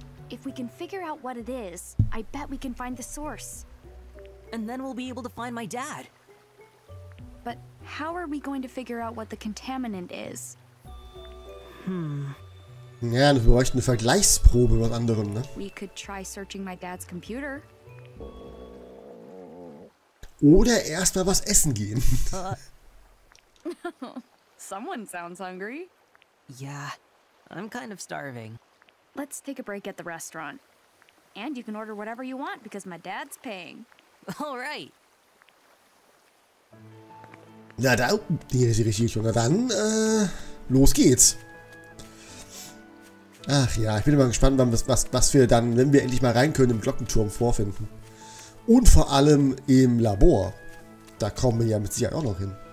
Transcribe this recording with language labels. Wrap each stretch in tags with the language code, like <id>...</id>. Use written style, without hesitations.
<en>If we can figure out what it is, I bet we can find the source. And then we'll be able to find my dad. But how are we going to figure out what the contaminant is?</en> <de>Ja, wir bräuchten eine Vergleichsprobe mit anderen, ne?</de> <en>We could try searching my dad's computer.</en> <de>Oder erstmal was essen gehen.</de> <en>Someone sounds hungry. Yeah, I'm kind of starving. Let's take a break at the restaurant. And you can order whatever you want because my dad's paying. All right.</en> <de>Na dann, hier ist die richtige Richtung. Na dann, los geht's. Ach ja, ich bin immer gespannt, was wir dann, wenn wir endlich mal rein können, im Glockenturm vorfinden. Und vor allem im Labor. Da kommen wir ja mit Sicherheit auch noch hin.</de>